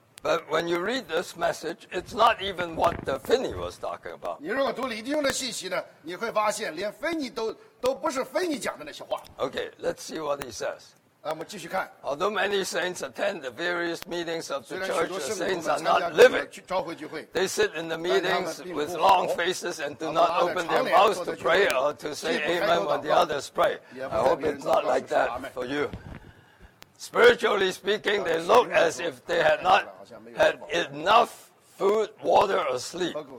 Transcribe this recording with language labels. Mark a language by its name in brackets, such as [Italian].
[English] But when you read this message, it's not even what the Finney was talking about. [Chinese] 你如果读李弟兄的信息呢，你会发现连芬尼都不是芬尼讲的那些话。 [English] Okay, let's see what he says. [Chinese] 那我们继续看。 [English] Although many saints attend the various meetings of the church, the saints are not living. [Chinese] 召会聚会。 [English] They sit in the meetings with long faces and do not open their mouths to pray or to say amen when the others pray. I hope it's not like that for you. Spiritually speaking, they look as if they had not had enough food, water, or sleep.